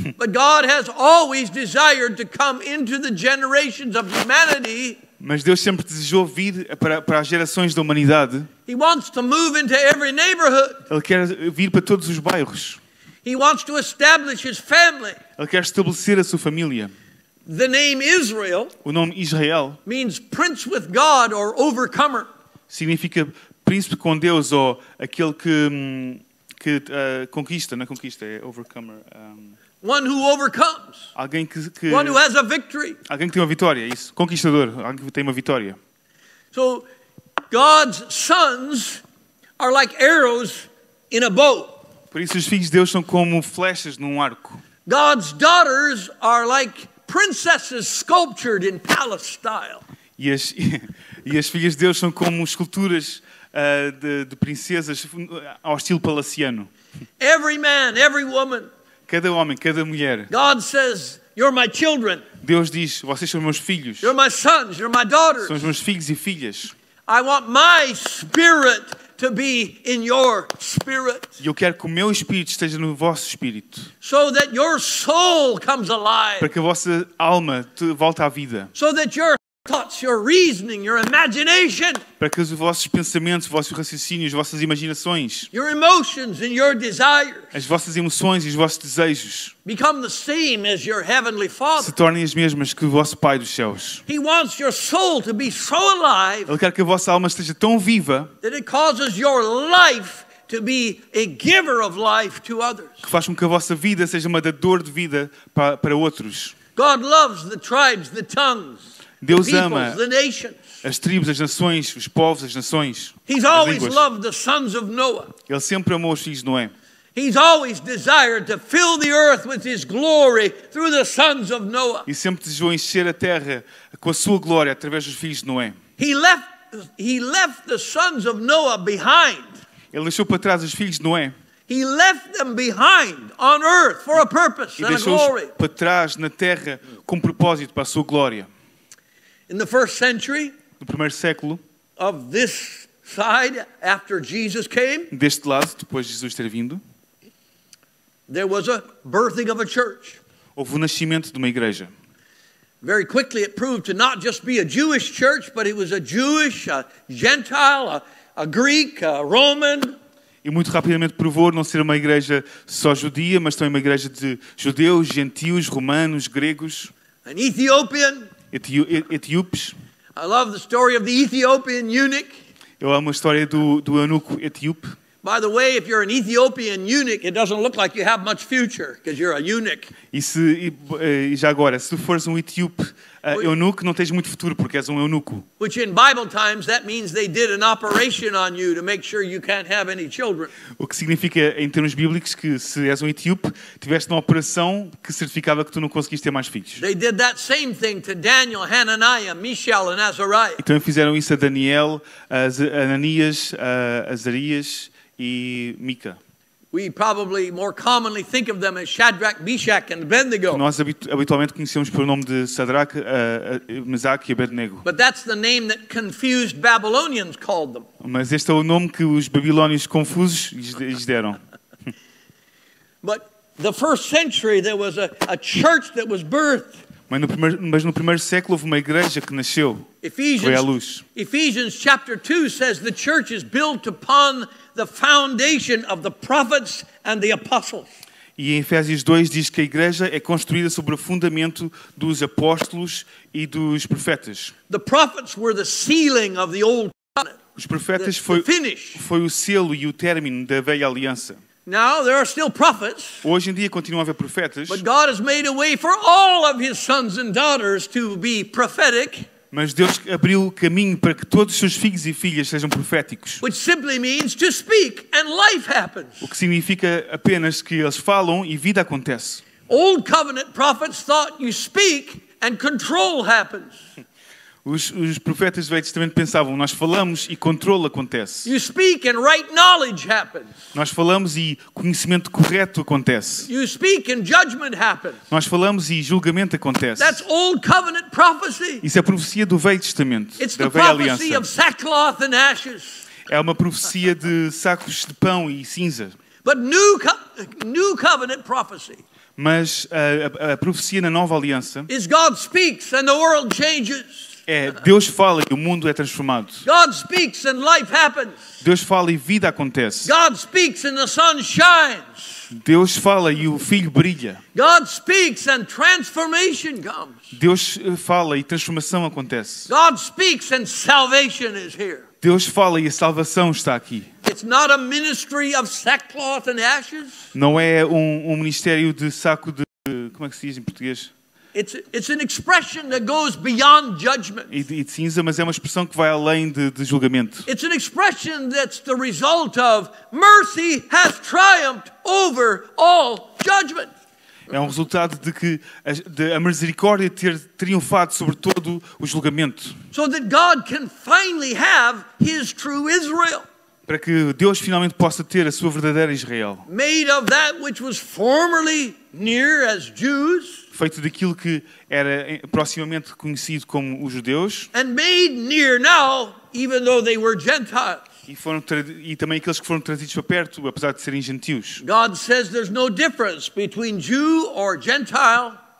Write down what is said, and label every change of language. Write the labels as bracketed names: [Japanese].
[English] But God has always desired to come into the generations of humanity. [Portuguese] Mas Deus sempre desejou vir para as gerações da humanidade. [English] He wants to move into every neighborhood. [Portuguese] Ele quer vir para todos os bairros. [English] He wants to establish his family. [Portuguese] Ele quer estabelecer a sua família. [English] The name Israel. [Portuguese] O nome Israel. [English] Means prince with God or overcomer. [Portuguese] Significa príncipe com Deus ou aquele que conquista, não é conquista, é overcomer. [English] One who overcomes. [Portuguese] Alguém que [English] one who has a victory. [Portuguese] Alguém que tem uma vitória, isso. Conquistador, alguém que tem uma vitória. [English] So, God's sons are like arrows in a bow. [Portuguese] Por isso os filhos de Deus são como flechas num arco. [English] God's daughters are like princesses sculptured in palace style. [Portuguese] E as filhas de Deus são como esculturas de princesas ao estilo palaciano. [English] Every man, every woman. [Portuguese] Cada homem, cada mulher. [English] God says, "You're my children." [Portuguese] Deus diz, vocês são meus filhos. [English] You're my sons, you're my daughters. [Portuguese] São os meus filhos e filhas. [English] I want my spirit to be in your spirit. [Portuguese] Eu quero que o meu espírito esteja no vosso espírito. [English] So that your soul comes alive. [Portuguese] Para que a vossa alma volte à vida. [English] So that your thoughts, your reasoning, your imagination. [Portuguese] Para que os vossos pensamentos, os vossos raciocínios, as vossas imaginações. [English] Your emotions and your desires. [Portuguese] As vossas emoções e os vossos desejos. [English] Become the same as your heavenly Father. [Portuguese] Se tornem as mesmas que o vosso Pai dos céus. [English] He wants your soul to be so alive. [Portuguese] Ele quer que a vossa alma esteja tão viva. [English] That it causes your life to be a giver of life to others. [Portuguese] Que faz com que a vossa vida seja uma dadora de vida para outros. [English] God loves the tribes, the tongues. [Portuguese] Deus ama as tribos, as nações, os povos, as nações. [English] He's always loved the sons of Noah. [Portuguese] Ele sempre amou os filhos de Noé. [English] He's always desired to fill the earth with his glory through the sons of Noah. [Portuguese] E sempre desejou encher a terra com a sua glória através dos filhos de Noé. [English] He left the sons of Noah behind. [Portuguese] Ele deixou para trás os filhos de Noé. [English] He left them behind on earth for a purpose and a glory. [Portuguese] Deixou para trás na terra com propósito para a sua glória. [English] In the first century, [Portuguese] no primeiro século, [English] of this side after Jesus came, [Portuguese] deste lado depois de Jesus ter vindo, [English] there was a birthing of a church. [Portuguese] Houve o nascimento de uma igreja. [English] Very quickly, it proved to not just be a Jewish church, but it was a Jewish, a Gentile, a Greek, a Roman. [Portuguese] E muito rapidamente provou não ser uma igreja só judia, mas também uma igreja de judeus, gentios, romanos, gregos. [English] An Ethiopian. [Portuguese] Etíopes. [English] I love the story of the Ethiopian eunuch. [Portuguese] Eu amo a história do eunuco etíope. [English] By the way, if you're an Ethiopian eunuch, it doesn't look like you have much future because you're a eunuch. [Portuguese] E já agora, se fores um etíope eunuco, não tens muito futuro porque és um eunuco. [English] Which in Bible times that means they did an operation on you to make sure you can't have any children. [Portuguese] O que significa em termos bíblicos que se és um etíope, tiveste uma operação que certificava que tu não conseguiste ter mais filhos. [English] They did that same thing to Daniel, Hananiah, Mishael and Azariah. [Portuguese] E também fizeram isso a Daniel, a Ananias, a Azarias e Mica. [English] We probably more commonly think of them as Shadrach, Meshach, and Abednego. [Portuguese] Nós habitualmente conhecemos pelo nome de Sadraque, Mesaque e Abednego. [English] But that's the name that confused Babylonians called them. [Portuguese] Mas este é o nome que os babilônios confusos lhes deram. [English] But the first century there was a church that was birthed. [Portuguese] Mas no primeiro século houve uma igreja que nasceu. Foi à luz. [English] Ephesians chapter 2 says the church is built upon the foundation of the prophets and the apostles. [Portuguese] E em Efésios 2 diz que a igreja é construída sobre o fundamento dos apóstolos e dos profetas. [English] The prophets were the sealing of the old covenant. [Portuguese] Os profetas foi o selo e o término da velha aliança. [English] Now there are still prophets. [Portuguese] Hoje em dia continuam a haver profetas. [English] But God has made a way for all of his sons and daughters to be prophetic. [Portuguese] Mas Deus abriu o caminho para que todos os seus filhos e filhas sejam proféticos. [English] Which simply means to speak and life happens. [Portuguese] O que significa apenas que eles falam e vida acontece. [English] Old covenant prophets thought you speak and control happens. [Portuguese] Os profetas do Velho Testamento pensavam, nós falamos e controle acontece. [English] You speak and right knowledge happens. [Portuguese] Nós falamos e conhecimento correto acontece. [English] You speak and judgment happens. [Portuguese] Nós falamos e julgamento acontece. [English] That's old covenant prophecy. [Portuguese] Isso é profecia do Velho Testamento, [English] it's [Portuguese] da [English] the [Portuguese] Velha [English] prophecy [Portuguese] Aliança. [English] Of sackcloth and ashes. [Portuguese] É uma profecia de sacos de pão e cinza. [English] But new covenant prophecy. [Portuguese] Mas a profecia na Nova Aliança [English] is God speaks and the world changes. [Portuguese] É, Deus fala e o mundo é transformado. [English] God speaks and life happens. [Portuguese] Deus fala e vida acontece. [English] God speaks and the sun shines. [Portuguese] Deus fala e o filho brilha. [English] God speaks and transformation comes. [Portuguese] Deus fala e transformação acontece. [English] God speaks and salvation is here. [Portuguese] Deus fala e a salvação está aqui. [English] It's not a ministry of sackcloth and ashes. [Portuguese] Não é um ministério de saco de... Como é que se diz em português? [English] It's an expression that goes beyond judgment. [Portuguese] E de cinza, mas é uma expressão que vai além de julgamento. [English] It's an expression that's the result of mercy has triumphed over all judgment. [Portuguese] É um resultado de que a misericórdia ter triunfado sobre todo o julgamento. [English] So that God can finally have his true Israel. [Portuguese] Para que Deus finalmente possa ter a sua verdadeira Israel. [English] Made of that which was formerly near as Jews. [Portuguese] Feito daquilo que era proximamente conhecido como os judeus. [English] And made near now, even though they were Gentiles. [Portuguese] E também aqueles que foram trazidos para perto, apesar de serem gentios. [English] God says there's no difference between Jew or Gentile.